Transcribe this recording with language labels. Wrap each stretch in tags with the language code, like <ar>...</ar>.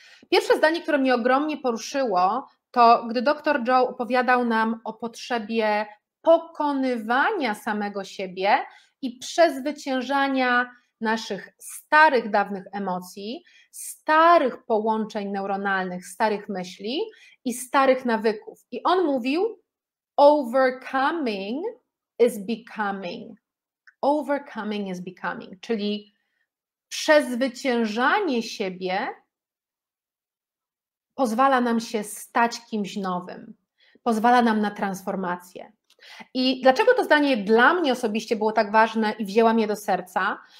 <pl>Pierwsze zdanie, które mnie ogromnie poruszyło, to gdy doktor Joe opowiadał nam o potrzebie pokonywania samego siebie i przezwyciężania naszych starych, dawnych emocji, starych połączeń neuronalnych, starych myśli i starych nawyków. I on mówił,</pl> <en>overcoming is becoming. Overcoming is becoming,</en> <pl>czyli przezwyciężanie siebie pozwala nam się stać kimś nowym, pozwala nam na transformację. I dlaczego to zdanie dla mnie osobiście było tak ważne i wzięłam je do serca?</pl>